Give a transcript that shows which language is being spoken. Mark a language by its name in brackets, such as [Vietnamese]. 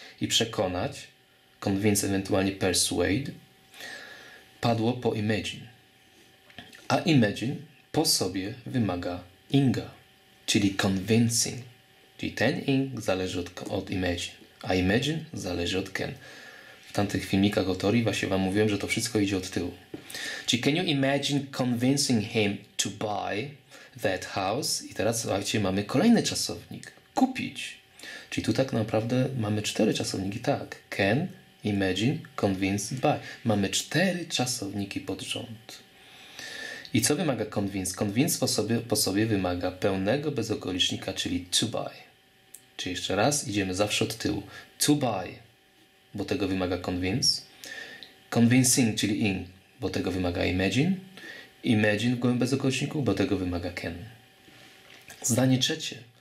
[Polish] I przekonać, convince, ewentualnie persuade, padło po imagine. A imagine po sobie wymaga inga, czyli convincing. Czyli ten ing zależy od imagine, a imagine zależy od can. W tamtych filmikach o teorii właśnie wam mówiłem, że to wszystko idzie od tyłu. [English] Czyli can you imagine convincing him to buy that house? [Polish] I teraz słuchajcie, mamy kolejny czasownik. Kupić. Czyli tu tak naprawdę mamy cztery czasowniki. Tak, can, imagine, convince, buy. Mamy cztery czasowniki pod rząd. I co wymaga convince? Convince po sobie wymaga pełnego bezokolicznika, czyli to buy. Czyli jeszcze raz, idziemy zawsze od tyłu. To buy, bo tego wymaga convince. Convincing, czyli ing, bo tego wymaga imagine. Imagine w gołym bezokoliczniku, bo tego wymaga can. Zdanie trzecie.